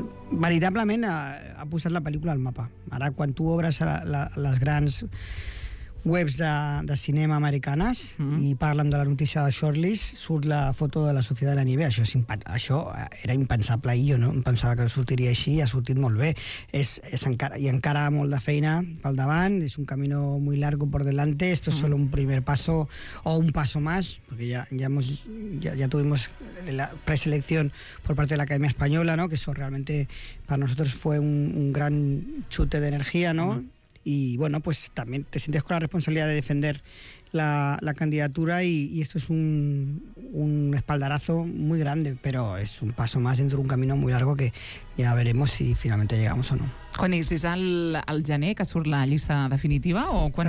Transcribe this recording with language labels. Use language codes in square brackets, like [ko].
[ca] Veritablement ha posat la pel·lícula al mapa. Ara, quan tu obres les grans webs de cinema americanes i parlen de la notícia de shortlist, surt la foto de la Societat de la Nieve. Això era impensable ahir, jo no em pensava que sortiria així, i ha sortit molt bé. Encara molt de feina pel davant, [es] és un camino muy largo por delante, esto es solo un primer paso o un paso más, porque ya tuvimos la preselección por parte de la Academia Española, ¿no? Que eso realmente para nosotros fue un gran chute de energía, ¿no? Y bueno, pues también te sientes con la responsabilidad de defender la candidatura y esto es un espaldarazo muy grande, pero es un paso más dentro de un camino muy largo que ya veremos si finalmente llegamos o no. [ca] ¿Quan és al gener que surt la llista definitiva o quan